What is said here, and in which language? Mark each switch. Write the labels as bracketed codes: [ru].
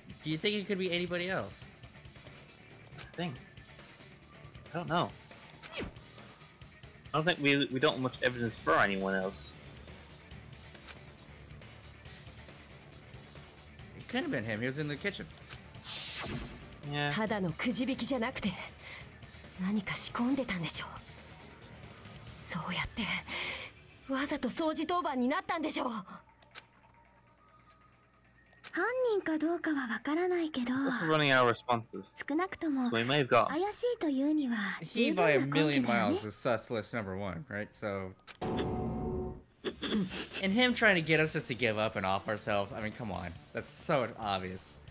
[en] Do you think it could be anybody else? That's the thing. I don't know. I don't think we don't have much evidence for anyone else. Could have been him. He was in the kitchen. Yeah. [ja] ただのくじ引きじゃなくて何か仕込んでたんでしょう。そうやってわざと掃除当番になったんでしょう。犯人かどうかはわからないけど、少なくとも怪しいというには十分な根拠だね。 [en] He by a million miles is sus list number one, right? So, and him trying to get us just to give up and off ourselves, I mean, come on, that's so obvious.